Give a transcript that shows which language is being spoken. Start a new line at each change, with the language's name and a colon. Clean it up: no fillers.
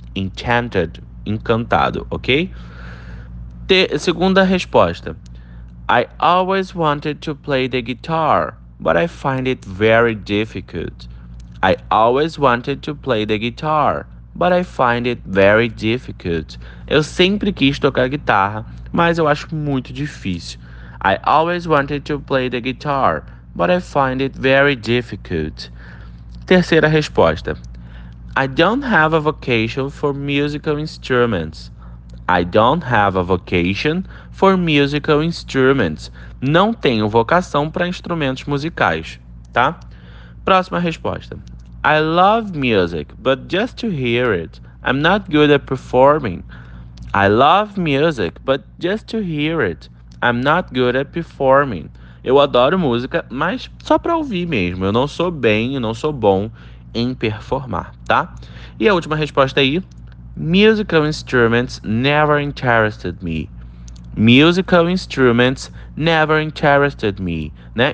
Portuguese: Enchanted, encantado, ok? Segunda resposta.
English: I always wanted to play the guitar, but I find it very difficult. I always wanted to play the guitar, but I find it very difficult.
Portuguese: Eu sempre quis tocar guitarra, mas eu acho muito difícil.
English: I always wanted to play the guitar, but I find it very difficult.
Portuguese: Terceira resposta.
English: I don't have a vocation for musical instruments. I don't have a vocation for musical instruments.
Portuguese: Não tenho vocação para instrumentos musicais, tá? Próxima resposta.
English: I love music, but just to hear it, I'm not good at performing. I love music, but just to hear it, I'm not good at performing.
Portuguese: Eu adoro música, mas só para ouvir mesmo. Eu não sou bem, eu não sou bom em performar, tá? E a última resposta aí.
English: Musical instruments never interested me. Musical instruments never interested me.
Portuguese: Né?